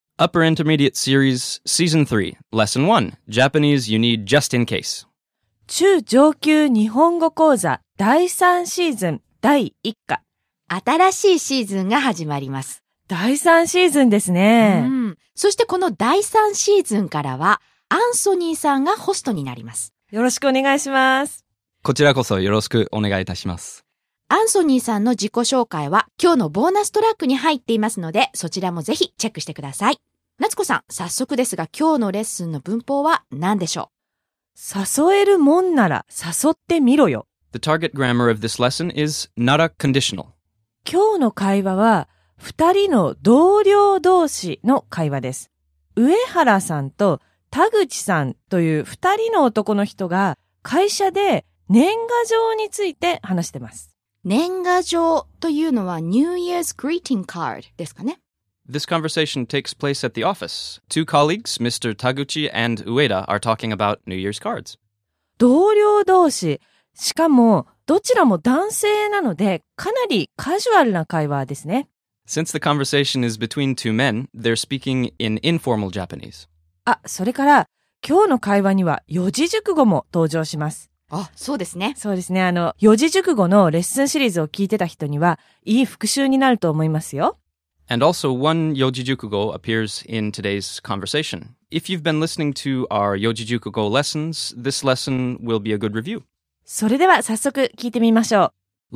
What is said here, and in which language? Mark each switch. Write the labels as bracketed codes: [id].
[en] Upper Intermediate Series, Season 3, Lesson 1, Japanese You Need Just In Case. [ja] 中上級日本語講座第3シーズン第1課。新しいシーズンが始まります。第3シーズンですね。そしてこの第3シーズンからは、アンソニーさんがホストになります。よろしくお願いします。こちらこそよろしくお願いいたします。アンソニーさんの自己紹介は今日のボーナストラックに入っていますので、そちらもぜひチェックしてください。夏子さん、早速ですが今日のレッスンの文法は何でしょう？誘えるもんなら誘ってみろよ。 [en] The target grammar of this lesson is not a conditional. [ja] 今日の会話は二人の同僚同士の会話です。上原さんと田口さんという二人の男の人が会社で年賀状について話してます。年賀状というのは [en] New Year's Greeting Card [ja] ですかね。 [en] This conversation takes place at the office. Two colleagues, Mr. Taguchi and Ueda, are talking about New Year's cards. [ja] 同僚同士、しかもどちらも男性なのでかなりカジュアルな会話ですね。 [en] Since the conversation is between two men, they're speaking in informal Japanese. [ja] あ、それから今日の会話には四字熟語も登場します。あ、そうですね。そうですね。四字熟語のレッスンシリーズを聞いてた人には、いい復習になると思いますよ。 [en] And also one 四字熟語 appears in today's conversation. If you've been listening to our 四字熟語 lessons, this lesson will be a good review. [ja] それでは早速聞いてみましょう。